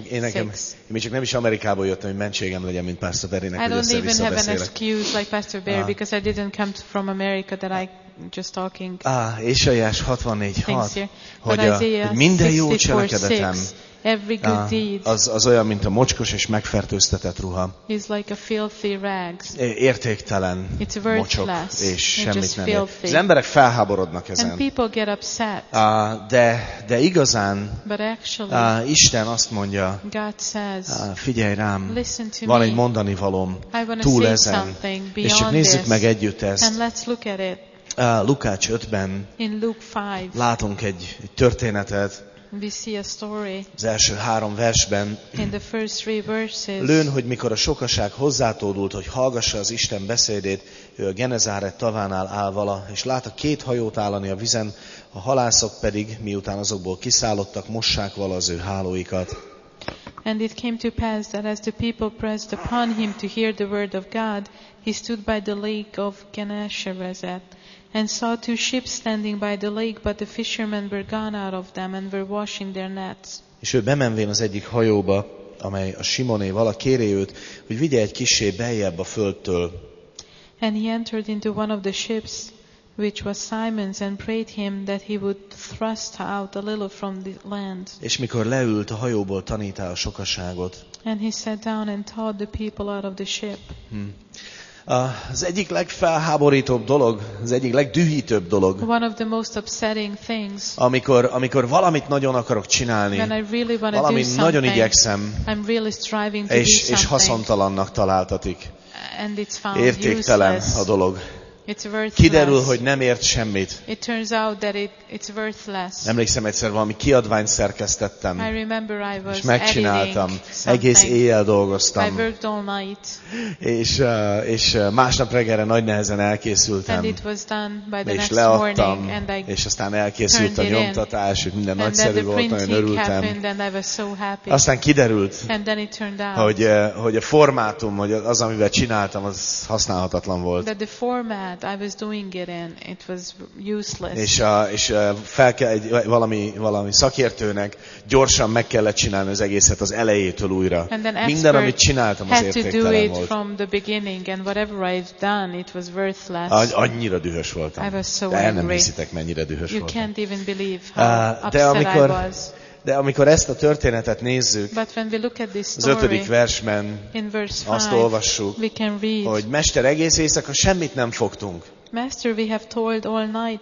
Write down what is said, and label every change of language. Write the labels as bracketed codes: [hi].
[hu] És én csak nem is Amerikából jöttem, hogy mentségem legyen, mint Pastor Barrynek, hogy össze-vissza beszélek. [en] I don't even have an excuse like Pastor Barry because I didn't come from America that I just talking. [hu] Ésaiás 64:6. Hogy minden jó cselekedetem. [en] Every good deed. [hu] Az olyan, mint a mocskos és megfertőztetett ruha. [en] It's like a filthy rags. [hu] Értéktelen. It's worthless. Mocsok és semmit nem ér. Az emberek felháborodnak ezen. [en] And people get upset. [hu] De igazán. [en] But actually, [hu] Isten azt mondja. [en] God says. [hu] Figyelj rám. [en] Listen to me. [hu] Van egy mondani valóm. [en] I wanna [hu] túl [en] say [hu] ezen. [en] Something beyond [hu] és csak nézzük [en] this, [hu] meg együtt ezt. [en] And let's look at it. [hu] Lukács 5-ben. [en] In Luke 5. [hu] Látunk egy történetet. [en] We see a story. [hu] Az első három versben. [en] In the first three verses. [hu] Lőn, hogy mikor a sokaság hozzátódult, hogy hallgassa az Isten beszédét, ő a Genezáret tavánál áll vala, és lát a két hajót állani a vizen, a halászok pedig, miután azokból kiszállottak, mossák vala az ő hálóikat. [en] And it came to pass that as the people pressed upon him to hear the word of God, he stood by the lake of Gennesaret. And saw two ships standing by the lake, but the fishermen were gone out of them and were washing their nets. [hu] És ő bemenvén az egyik hajóba, amely a Simoné, vala kéri őt, hogy vigye egy kissé beljebb a földtől. [en] And he entered into one of the ships, which was Simon's, and prayed him that he would thrust out a little from the land. [hu] És mikor leült a hajóból, tanítá a sokaságot. [en] And he sat down and taught the people out of the ship. [hu] Az egyik legfelháborítóbb dolog, az egyik legdühítőbb dolog. [en] One of the most upsetting things. [hu] Amikor valamit nagyon akarok csinálni, [en] when I really want to [hu] valami [en] do [hu] nagyon igyekszem, [en] I'm really striving to [hu] és, [en] do something. [hu] És haszontalannak találtatik. [en] And it's found [hu] értéktelen [en] useless. [hu] A dolog. [en] It's worthless. [hu] Kiderül, hogy nem ért semmit. [en] It turns out that it's worthless. [hu] Emlékszem egyszer valami kiadványt szerkesztettem. [en] I remember I was [hu] és megcsináltam. Egész éjjel dolgoztam. [en] I worked all night. [hu] És másnap reggelre nagy nehezen elkészültem. [en] And it was done by the [hu] és [en] next [hu] leadtam, [en] morning, and I [hu] és aztán elkészült a nyomtatás, [en] in, [hu] és minden nagyszerű volt, nagyon örültem. [en] And I was so happy. [hu] Aztán kiderült, [en] and then it turned out, [hu] hogy a formátum, hogy az, amivel csináltam, az használhatatlan volt. [en] That the format I was doing it and it was useless. [hu] És fel kell valami szakértőnek gyorsan meg kellett csinálni az egészet az elejétől újra. Minden, amit csináltam, az értéktelen volt. [en] Had to do it from the beginning and whatever I've done, it was worthless. [hu] Annyira dühös voltam. [en] I was so angry. [hu] De el nem hiszitek, mennyire dühös [en] you [hu] voltam. [en] You can't even believe how upset [hu] amikor, [en] I was. [hu] De amikor ezt a történetet nézzük, az ötödik versben azt olvassuk, hogy Mester, egész éjszaka semmit nem fogtunk. [en] Master, we have toiled all night and